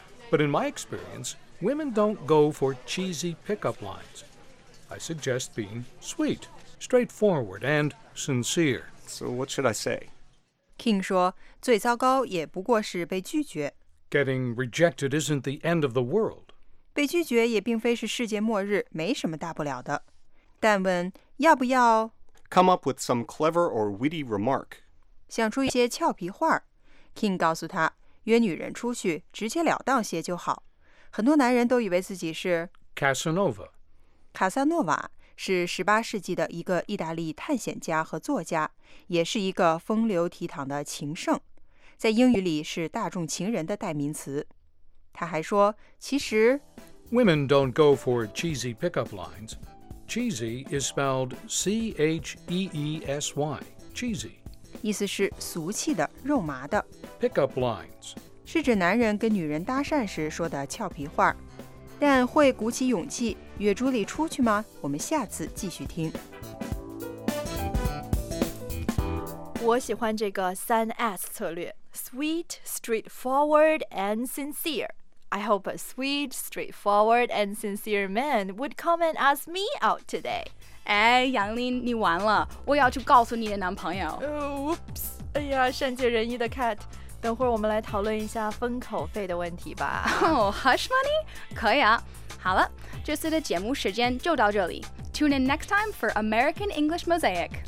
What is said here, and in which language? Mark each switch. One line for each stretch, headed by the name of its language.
English: But in my experience, women don't go for cheesy pickup lines. I suggest being sweet, straightforward, and sincere. So what should I say?
Chinese: King 说，最糟糕也不过是被拒绝。
English: Getting rejected isn't the end of the world.
Chinese: 被拒绝也并非是世界末日，没什么大不了的。但问，要不要？
English: Come up with some clever or witty remark.
Chinese: 想出一些俏皮话。King 告诉他，约女人出去，直截了当些就好。很多男人都以为自己是
English: Casanova.
Chinese: 卡萨诺瓦是18世纪的一个意大利探险家和作家，也是一个风流倜傥的情圣，在英语里是大众情人的代名词。他还说，其实
English: Women don't go for cheesy pickup lines. Cheesy is spelled C-H-E-E-S-Y, cheesy.
Chinese: 意思是俗气的、肉麻的。
English: Pickup lines.
Chinese: 是指男人跟女人搭讪时说的俏皮话。但会鼓起勇气约朱莉出去吗？我们下次继续听。我喜欢这个三 S 策略 ,
English: sweet, straightforward, and sincere. I hope a sweet, straightforward, and sincere man would come and ask me out today.
Chinese: 哎，杨林，你完了，我要去告诉你的男朋友。 Oops, 哎呀，善解人意的 Cat, 等会儿我们来讨论一下封口费的问题吧。
English: Oh, hush money?
Chinese: 可以啊。好了，这次的节目时间就到这里。
English: Tune in next time for American English Mosaic.